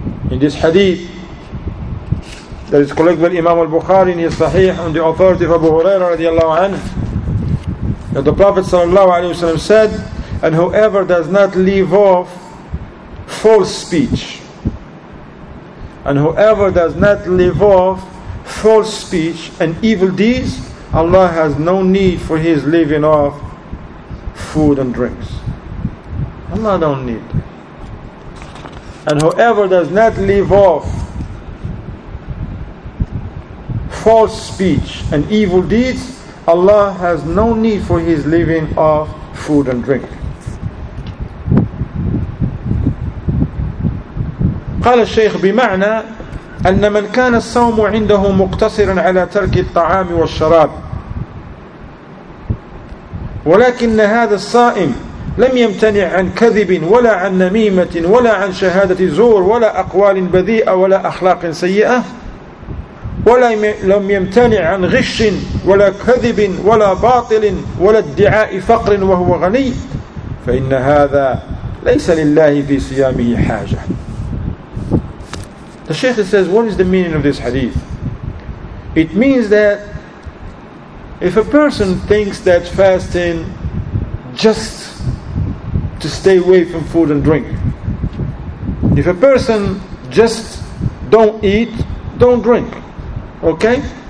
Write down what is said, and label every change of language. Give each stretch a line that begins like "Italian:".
English: In this hadith that is collected by Imam al-Bukhari in his Sahih on the authority of Abu Huraira radiallahu anhu, that the Prophet sallallahu alaihi wasallam said, and whoever does not leave off false speech, and whoever does not leave off false speech and evil deeds, Allah has no need for his leaving off food and drinks. Allah don't need. And whoever does not leave off false speech and evil deeds, Allah has no need for his leaving off food and drink.
Arabic: قال الشيخ بمعنى أن من كان الصوم عنده مقتصرا على ترك الطعام والشراب ولكن هذا الصائم لم يمتنع عن كذب ولا عن نميمة ولا عن شهادة زور ولا أقوال بذيئة ولا أخلاق سيئة ولا لم يمتنع عن غش ولا كذب ولا باطل ولا ادعاء فقر وهو غني فإن هذا ليس لله في صيامه حاجة.
English: The Sheikh says, what is the meaning of this hadith? It means that if a person thinks that fasting just to stay away from food and drink, if a person just don't eat, don't drink, okay?